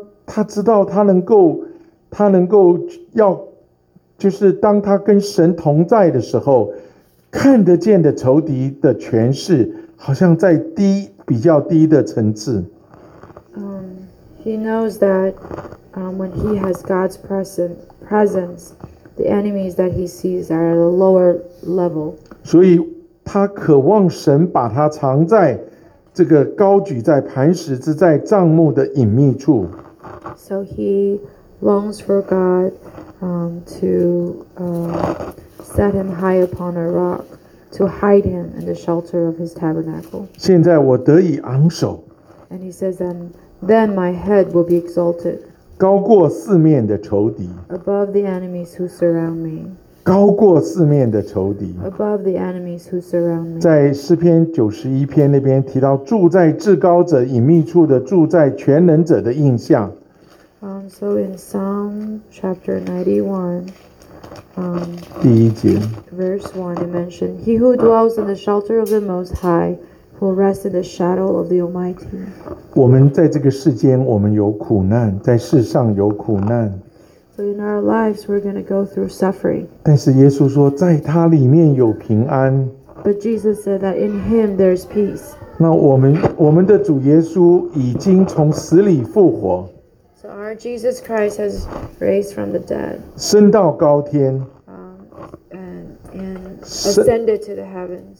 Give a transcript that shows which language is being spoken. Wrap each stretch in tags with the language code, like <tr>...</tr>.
<zh>他知道他能够要，就是当他跟神同在的时候，看得见的仇敌的权势好像在低，比较低的层次。</zh> <en>He knows that, when he has God's presence. The enemies that he sees are at a lower level.</en> <zh>所以他渴望神把他藏在这个高举在磐石之在帐幕的隐秘处。</zh> <en>So he longs for God, to set him high upon a rock, to hide him in the shelter of his tabernacle.</en> <zh>现在我得以昂首。</zh> <en>And he says, then my head will be exalted.</en> <zh>高过四面的仇敌。</zh> <en>Above the enemies who surround me.</en> <zh>高过四面的仇敌。</zh> <en>Above the enemies who surround me.</en> <zh>在诗篇九十一篇那边提到住在至高者隐秘处的住在全能者的印象。</zh> <en>So in Psalm chapter 91,</en> <zh>第一节。</zh> <en>Verse 1, it mentioned, He who dwells in the shelter of the Most High will rest in the shadow of the Almighty.</en> <zh>我们在这个世间，我们有苦难，在世上有苦难。</zh> <en>So in our lives, we're going to go through suffering.</en> <zh>但是耶稣说，在他里面有平安。</zh> <en>But Jesus said that in him there's peace.</en> <zh>那我们的主耶稣已经从死里复活。</zh> <en>So our Jesus Christ has raised from the dead.</en> <zh>升到高天。</zh> <en>And ascended to the heavens.</en>